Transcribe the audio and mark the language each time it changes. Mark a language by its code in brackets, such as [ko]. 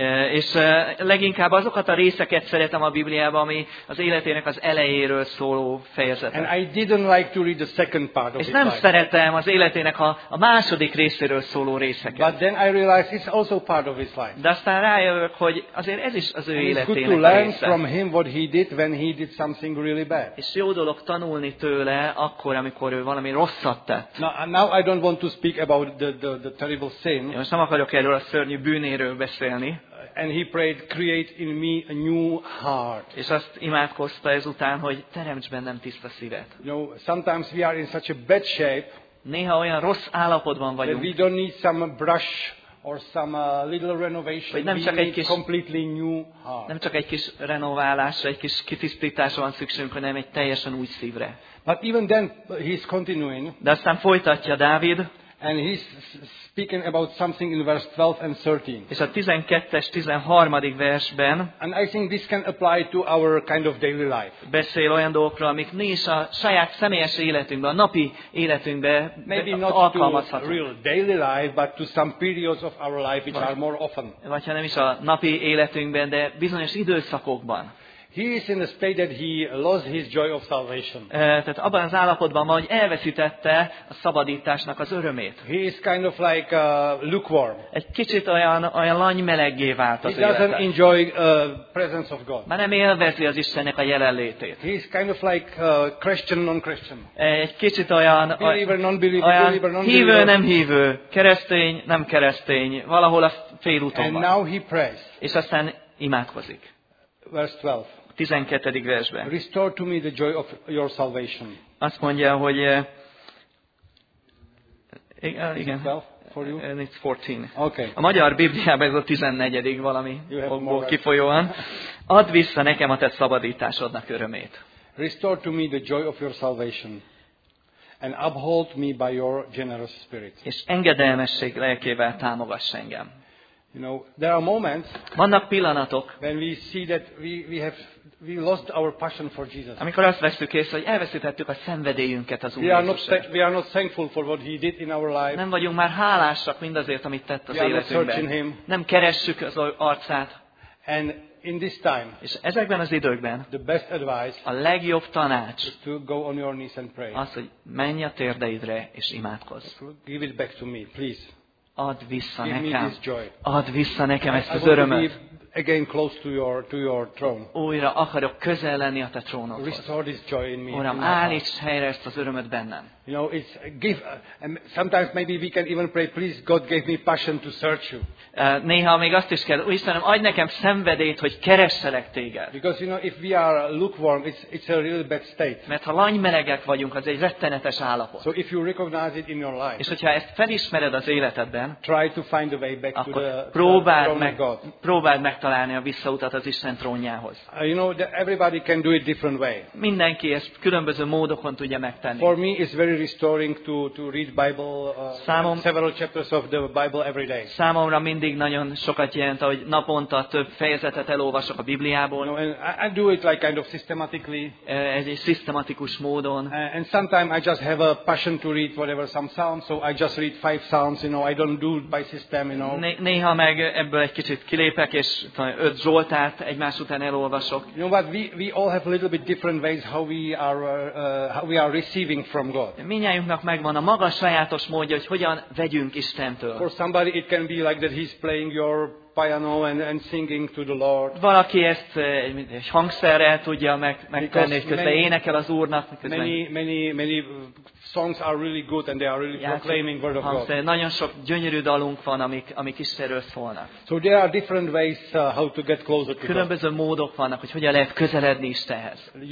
[hu] És leginkább azokat a részeket szeretem a Bibliában, ami az életének az elejéről szóló fejezete. [en] And I didn't like to read the second part of [hu] it. És nem szeretem az életének a második részéről szóló részeket. [en] But then I realized it's also part of his life. [hu] De aztán rájövök, hogy azért ez is az ő életének része. [en] It's good to learn from him what he did when he did something really bad. [hu] És jó dolog tanulni tőle akkor, amikor ő valami rosszat tett. [en] Now I don't want to speak about the terrible sin. [hu] Én most nem akarok erről a szörnyű bűnéről beszélni. [en] And he prayed, create in me a new heart. [hu] És azt imádkozta ezután, hogy teremts bennem tiszta szívet. [en] You know, sometimes we are in such a bad shape. [hu] Néha olyan rossz állapotban vagyunk. [en] That we don't need some brush or some little renovation. [hu] Nem csak egy kis [en] completely new heart. [hu] Nem csak egy kis renoválásra, egy kis kitisztításra van szükségünk, hanem egy teljesen új szívre. [en] But even then he's continuing. [hu] De aztán folytatja Dávid. [en] And he's speaking about something in verse 12 and 13. [hu] És a 12-es, 13. versben. [en] And I think this can apply to our kind of daily life. [hu] Beszél olyan dolgokról, amik mi is a saját személyes életünkben, a napi életünkben alkalmazhatunk. [en] Maybe not to real daily life, but to some periods of our life which are more often. [hu] Vagy ha nem is a napi életünkben, de bizonyos időszakokban. [en] He is in a state that he lost his joy of salvation. [hu] Tehát abban az állapotban van, hogy elveszítette a szabadításnak az örömét. [en] He is kind of like lukewarm. [hu] Egy kicsit olyan lanymeleggé vált az élete. [en] He doesn't enjoy presence of God. [hu] Már nem élvezi az Istennek a jelenlétét. [en] He is kind of like Christian non-Christian. [hu] Egy kicsit olyan [en] believer non-believer, believer non-believer. [hu] Hívő nem hívő, keresztény nem keresztény, valahol a fél úton van. [en] And now he prays. [hu] És aztán imádkozik. [en] Verse 12. [hu] 12. versben. [en] Restore to me the joy of your salvation. [hu] Azt mondja, hogy igen. [en] For you? And it's 14. Okay. [hu] A magyar Bibliában ez a 14. valami okból kifolyóan. Add vissza nekem a te szabadításodnak örömét. [en] Restore to me the joy of your salvation. And uphold me by your generous spirit. [hu] És engedelmesség lelkével támogass engem. [en] You know, there are moments. [hu] Vannak pillanatok, [en] when we see that we lost our passion for Jesus. [hu] Amikor azt veszük észre, hogy elveszítettük a szenvedélyünket az Úr Jézusért. [en] We are not thankful for what he did in our life. [hu] Nem vagyunk már hálásak mindazért, amit tett az életünkben. [en] We are not searching him. [hu] Nem keressük az arcát. [en] And in this time, [hu] és ezekben az időkben [en] the best advice, [hu] a legjobb tanács [en] to go on your knees and pray. [hu] Az, hogy menj a térdeidre és imádkozz. [en] Give it back to me, please. [hu] Add vissza [en] give [hu] nekem. [en] Me this joy. [hu] Add vissza nekem ezt az [en] I [hu] örömet. [en] Want to be again close to your throne. [hu] Újra akarok közel lenni a te trónodhoz. [en] Restore this joy in me. [hu] Uram, állíts helyre ezt az örömet bennem. [en] You know, it's give. Sometimes maybe we can even pray, please, God gave me passion to search you. [hu] Néha még azt is kell, Istenem, adj nekem szenvedélyt, hogy keresselek téged. [en] Because you know, if we are lukewarm, it's a really bad state. [hu] Mert ha langymelegek vagyunk, az egy rettenetes állapot. [en] So if you recognize it in your life. [hu] És hogyha ezt felismered az életedben, [en] try to find a way back to the throne of God. [hu] Próbáld megtalálni a visszautat az Isten trónjához. [en] You know, everybody can do it different way. [hu] Mindenki ezt különböző módokon tudja megtenni. [en] For me, it's very restoring to read Bible several chapters of the Bible every day. [hu] Számomra mindig nagyon sokat jelent, hogy naponta több fejezetet elolvasok a Bibliából. [en] No, and I do it like kind of systematically. [hu] Ez egy szisztematikus módon. [en] And sometimes I just have a passion to read whatever some psalms, so I just read 5 psalms, you know, I don't do it by system, you know. [hu] Néha meg ebből egy kicsit kilépek és 5 zsoltárt egymás után elolvasok. [en] You know, but we all have a little bit different ways how we are receiving from God. [hu] Mindnyájunknak megvan a maga sajátos módja, hogy hogyan vegyünk Istentől. [en] For somebody it can be like that he's playing your piano and singing to the Lord. [hu] Valaki ezt egy hangszerrel tudja megtenni, hogy közben énekel az Úrnak. [en] Many songs are really good and they are really proclaiming word of God. [hu] Nagyon sok gyönyörű dalunk van, amik Istenről szólnak. [en] So there are different ways how to get closer to God. [hu] Különböző módok vannak, hogy hogyan lehet közeledni Istenhez.